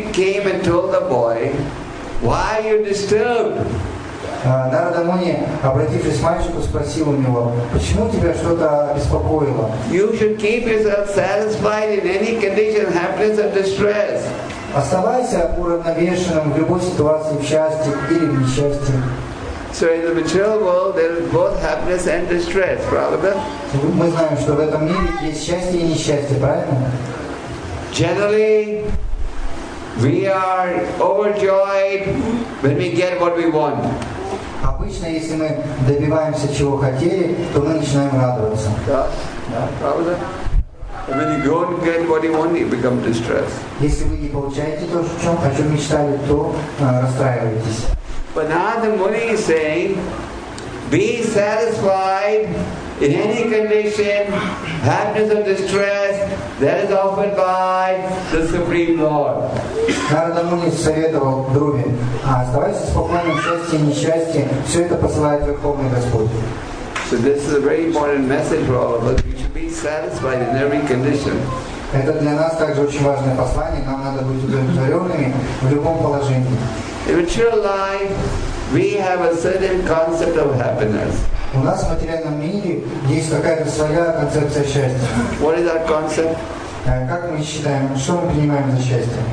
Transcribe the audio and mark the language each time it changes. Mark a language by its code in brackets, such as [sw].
[en] Narada Muni came and told the boy, why are you disturbed? [ru] Narada Muni, обратившись к мальчику, спросил у него, почему тебя что-то беспокоило? [en] You should keep yourself satisfied in any condition, happiness or distress. [ru] Оставайся уравновешенным в любой ситуации, в счастье или в несчастье. [en] So in the material world, there is both happiness and distress, [ru] правда? Мы знаем, что в этом мире есть счастье и несчастье, правильно? [en] Generally, we are overjoyed when we get what we want. [ru] Обычно, если мы добиваемся чего хотели, то мы начинаем радоваться. Да, правда? [en] And when you go and get what you want, you become distressed. [ru] Если вы не получаете то, о чем мечтали, то расстраиваетесь. [en] But Narada Muni is saying, be satisfied in any condition, happiness or distress, that is offered by the Supreme Lord. [ru] Narada Muni советовал Друге, оставайся спокойным, счастье и несчастье, все это посылает Верховный Господь. [en] So this is a very important message for all of us. We should be satisfied in every condition. [ru] Это для нас также очень важное послание. Нам надо быть удовлетворенными в любом положении. [en] In material life, we have a certain concept of happiness. [ru] У нас в материальном мире есть какая-то своя концепция счастья. [en] What is that concept? [ru] Как мы считаем, что мы принимаем за счастье?